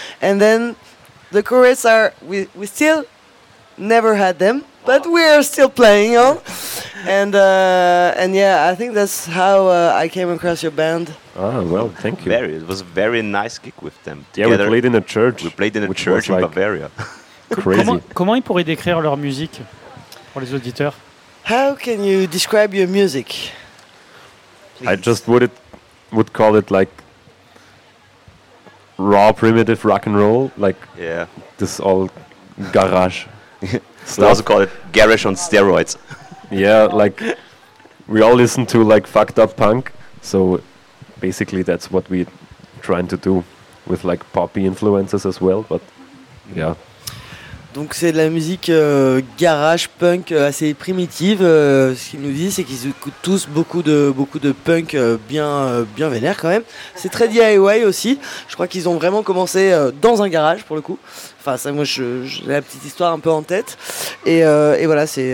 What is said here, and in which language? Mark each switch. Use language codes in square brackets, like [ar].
[en] And then the Corettes are, we still never had them, but we're still playing, you know? And yeah, I think that's how I came across your band. Oh, well, thank you. Very, it was a very nice gig with them. Yeah, together. We played in a church. We played in a church in Bavaria. Crazy. [fr] Comment ils pourraient décrire leur musique pour les auditeurs? [en] How can you describe your music? Please. I just would call it like raw primitive rock and roll, like this old garage. We also call it garage on steroids. Yeah, like we all listen to like fucked up punk, so basically that's what we're trying to do with like poppy influences as well, but yeah. [fr] Donc c'est de la musique garage punk assez primitive. Ce qu'ils nous disent, c'est qu'ils écoutent tous beaucoup de punk bien vénère quand même. C'est très DIY aussi. Je crois qu'ils ont vraiment commencé dans un garage pour le coup. Enfin, ça, moi, j'ai la petite histoire un peu en tête. Et voilà, c'est.